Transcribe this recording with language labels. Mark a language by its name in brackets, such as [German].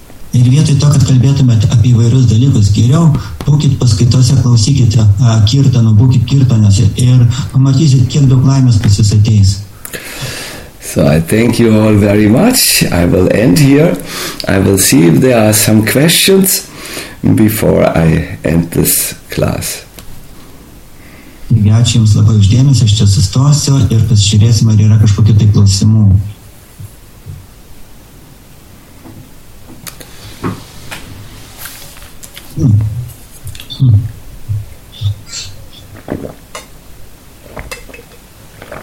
[Lithuanian] Ir vietoj to, kad kalbėtumėt apie įvairius dalykus, geriau būkit paskaitose, klausykite kirtanų, būkit kirtanose ir pamatysit, kiek daug laimės pas jūs ateis. [English] So I thank you all very much. I will end here. I will see if there are some questions before I end this class. [Lithuanian] Ačiū Jums labai uždėmesi, aš čia sustosiu ir pasižiūrėsim, ar yra kažkokių tai klausimų.